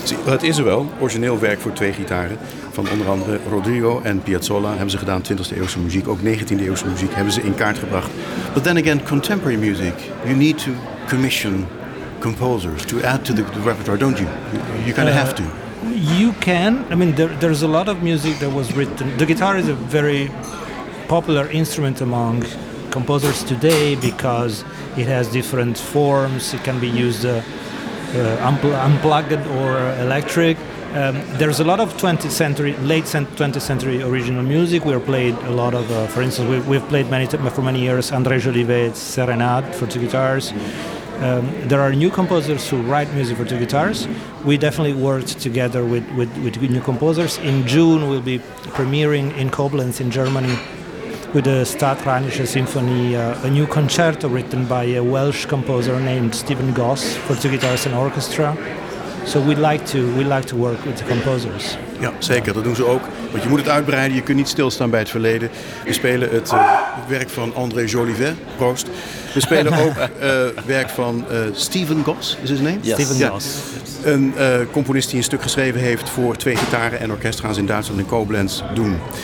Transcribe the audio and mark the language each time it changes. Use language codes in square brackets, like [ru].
[nl] Het is er wel, origineel werk voor twee gitaren van onder andere Rodrigo en Piazzolla hebben ze gedaan, 20e eeuwse muziek, ook 19e eeuwse muziek hebben ze in kaart gebracht. [en] But then again, contemporary music, you need to commission composers to add to the repertoire, don't you? You kind of have to. You can. I mean, there's a lot of music that was written. The guitar is a very popular instrument among composers today because it has different forms. It can be used unplugged or electric. There's a lot of 20th century, late 20th century original music. We have played a lot of, for instance, we've played for many years André Jolivet's Serenade for two guitars. There are new composers who write music for two guitars. We definitely worked together with new composers. In June, we'll be premiering in Koblenz in Germany with the Stadtrheinische Symphony, a new concerto written by a Welsh composer named Stephen Goss for two guitars and orchestra. So we'd like to work with the composers. [nl] Ja, zeker. Dat doen ze ook. Want je moet het uitbreiden. Je kunt niet stilstaan bij het verleden. We spelen het werk van André Jolivet. Proost. We spelen ook werk van Stephen Goss, [en] is his name? Yes. Stephen Goss. [nl] Een componist die een stuk geschreven heeft voor twee gitaren en orkest gaan ze in Duitsland in Koblenz doen.